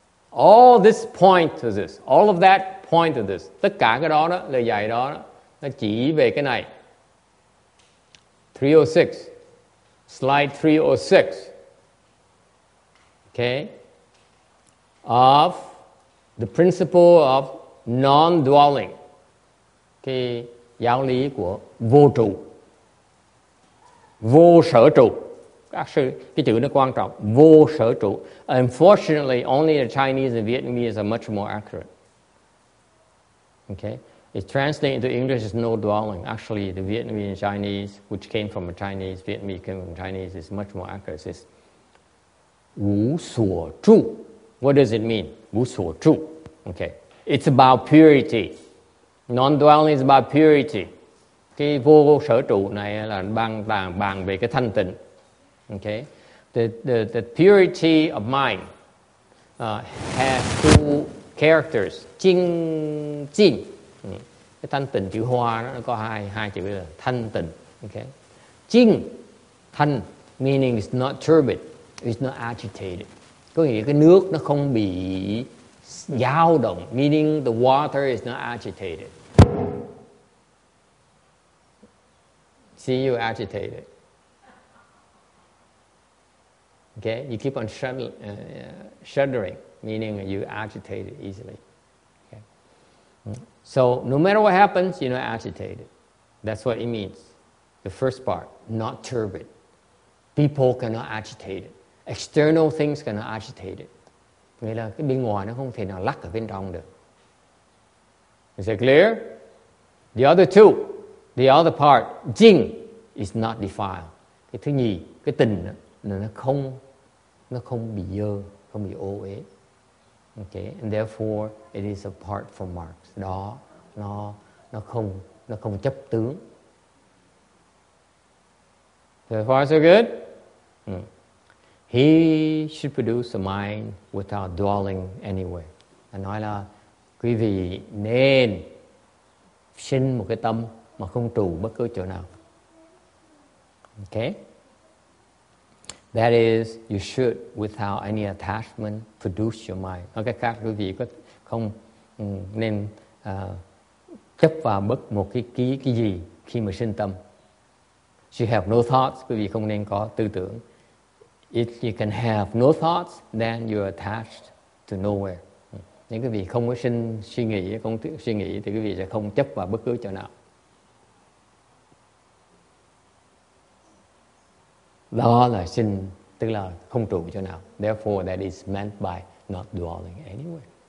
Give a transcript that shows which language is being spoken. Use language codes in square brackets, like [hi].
[en] All this point to this, all of that point to this. [vi] Tất cả cái đó, lời dạy đó, nó chỉ về cái này. [en] 306, slide 306, okay? Of the principle of non-dwelling, [vi] cái giáo lý của vô trụ, vô sở trụ. Cái chữ nó quan trọng, vô sở trụ. [en] Unfortunately, only the Chinese and Vietnamese are much more accurate. Okay? It's translated into English as no dwelling. Actually, the Vietnamese and Chinese, which came from a Chinese, Vietnamese came from Chinese, is much more accurate. It's 无所住.What does it mean? 无所住.Okay. It's about purity. Non-dwelling is about purity. [vi] Cái vô sở trụ này là bàn về cái thanh tịnh. Okay. [en] The purity of mind has two characters. [vi] Chinh. Cái thanh tịnh chữ Hoa nó có hai chữ là thanh tịnh. [en] Okay. Chinh, thanh, meaning it's not turbid, it's not agitated. [vi] Có nghĩa cái nước nó không bị dao động, [en] meaning the water is not agitated. See you agitated. Okay, you keep on shuddering, meaning you agitated easily. Okay. So no matter what happens, you're not agitated. That's what it means. The first part, not turbid. People cannot agitate it. External things cannot agitate it. [vi] Nghĩa là cái bên ngoài nó không thể nào lắc ở bên trong được. [en] Is it clear? The other two, the other part, jing, is not defiled. [vi] Cái thứ nhì, cái tình đó, là nó không bị dơ, không bị ô uế. [en] Okay, and therefore it is apart from marks. [vi] Đó, nó không chấp tướng. [en] So far so good? He should produce a mind without dwelling anywhere. [vi] Anh nói là quý vị nên sinh một cái tâm mà không trụ bất cứ chỗ nào. [en] Okay? That is, you should, without any attachment, produce your mind. [vi] Nói cách khác, quý vị có không nên chấp vào bất một cái gì khi mà sinh tâm. [en] You have no thoughts, [vi] quý vị không nên có tư tưởng. [en] If you can have no thoughts, then you're attached to nowhere. [vi] Nếu quý vị không có suy nghĩ, thì quý vị sẽ không chấp vào bất cứ chỗ nào. Đó là sinh, tức là không trụ chỗ nào. [en] Therefore, that is meant by not dwelling anywhere.